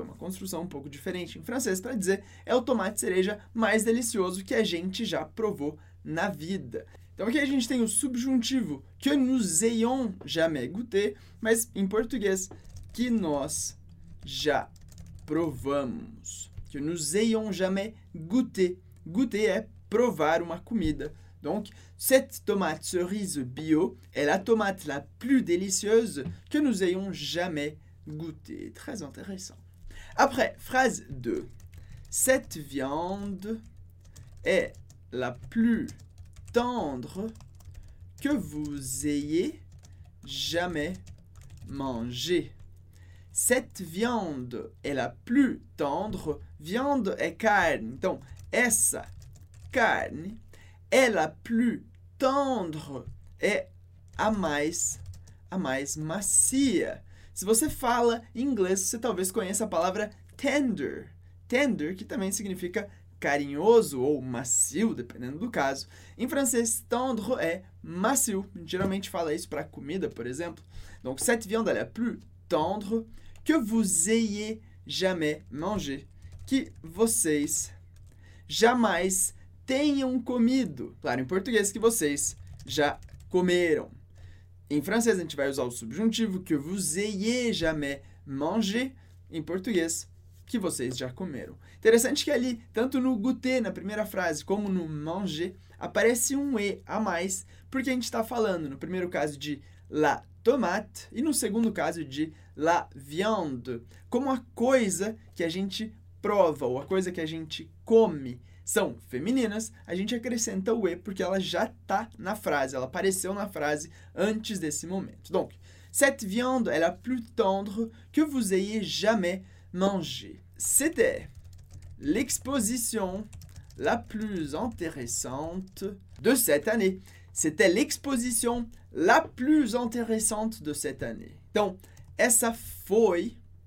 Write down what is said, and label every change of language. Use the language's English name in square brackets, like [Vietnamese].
[Portuguese] É uma construção um pouco diferente em francês para dizer é o tomate cereja mais delicioso que a gente já provou na vida. Então aqui a gente tem o subjuntivo que [French] nous ayons jamais goûté, [Portuguese] mas em português, que nós já provamos. [French] Que nous ayons jamais goûté. [Portuguese] Goûter é provar uma comida. [French] Donc, cette tomate cerise bio est la tomate la plus délicieuse que nous ayons jamais goûté. Très intéressant. Après, phrase 2. Cette viande est la plus tendre que vous ayez jamais mangé. Cette viande est la plus tendre. Viande est carne. [Portuguese] Então, essa carne é [French] la plus tendre, [Portuguese] é a mais macia. Se você fala inglês, você talvez conheça a palavra tender. Tender, que também significa carinhoso ou macio, dependendo do caso. Em francês, tendre é macio. Geralmente fala isso para comida, por exemplo. [French] Donc, cette viande est la plus tendre que vous ayez jamais mangé. [Portuguese] Que vocês jamais tenham comido. Claro, em português, que vocês já comeram. Em francês, a gente vai usar o subjuntivo [French] que vous ayez jamais mangé. [Portuguese] Em português, que vocês já comeram. Interessante que ali, tanto no goûter, na primeira frase, como no manger, aparece um E a mais, porque a gente está falando, no primeiro caso, de la tomate, e no segundo caso, de la viande, como a coisa que a gente prova, ou a coisa que a gente come, são femininas, a gente acrescenta o E porque ela já está na frase, ela apareceu na frase antes desse momento. [French] Donc, cette viande est la plus tendre que vous ayez jamais mangé. C'était l'exposition la plus intéressante de cette année. C'était l'exposition la plus intéressante de cette année. [Portuguese] Então, essa foi